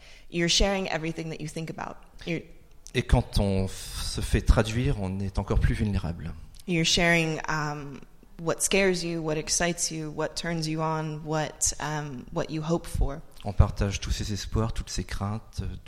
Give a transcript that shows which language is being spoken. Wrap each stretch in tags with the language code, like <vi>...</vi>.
<en>You're sharing everything that you think about.</en> <fr>Et quand on se fait traduire, on est encore plus vulnérable.</fr> <en>You're sharing what scares you, what excites you, what turns you on, what you hope for.</en> <fr>On partage tous ses espoirs, toutes ses craintes,</fr>